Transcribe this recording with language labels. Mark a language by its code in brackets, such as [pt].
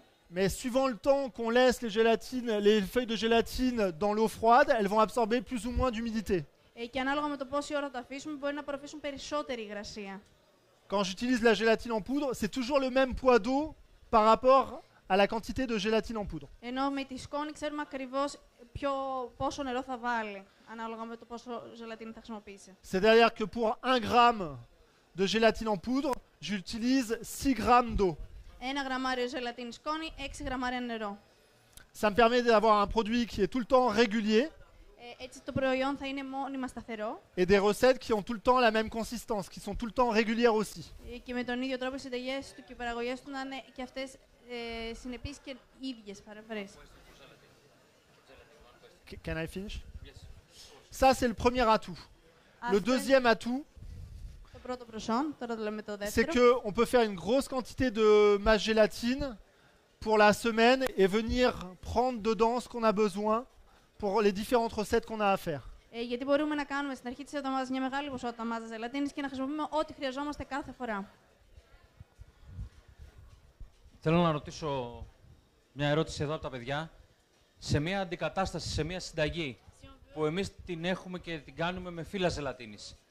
[fr] Mais suivant le temps qu'on laisse les feuilles de gélatine dans l'eau froide, elles vont absorber plus ou moins d'humidité. [el] Και ανάλογα με το πόση ώρα το αφήσουμε, μπορεί να απορροφήσουν περισσότερη υγρασία. [fr] Quand j'utilise la gélatine en poudre, c'est toujours le même poids d'eau par rapport à la quantité de gélatine en poudre. [el] Ενώ με τη σκόνη ξέρουμε ακριβώς πόσο νερό θα βάλει, ανάλογα με το πόσο γελατίνη θα χρησιμοποιήσει. [fr] C'est-à-dire que pour 1 gramme de gélatine en poudre, j'utilise 6 grammes d'eau. [el] Ένα γραμμάριο γελατίνη σκόνη, 6 γραμμάρια νερό. [fr] Ça me permet d'avoir un produit qui est tout le temps régulier. [el] Έτσι το προϊόν θα είναι μόνιμα σταθερό. [fr] Et des recettes qui ont tout le temps la même consistance, qui sont tout le temps régulières aussi. [el] Και με τον ίδιο τρόπο οι συνταγές του και οι παραγωγές του να είναι και αυτές συνεπείς και ίδιες παραφορές. [en] Can I finish? [fr] Ça c'est le premier atout. Le deuxième atout. [el] Το πρώτο προσόν, τώρα το λέμε το δεύτερο. [fr] C'est que on peut faire une grosse quantité de masse gélatine pour la semaine et venir prendre dedans ce qu'on a besoin. Pour les différentes recettes qu'on a à faire. [el] Γιατί μπορούμε να κάνουμε στην αρχή της εβδομάδας μια μεγάλη ποσότητα μάζας ζελατίνης και να χρησιμοποιούμε ό,τι χρειαζόμαστε κάθε φορά. Θέλω να ρωτήσω μια ερώτηση εδώ από τα παιδιά. Σε μια αντικατάσταση, σε μια συνταγή που εμείς την έχουμε και την κάνουμε με φύλλα ζελατίνης.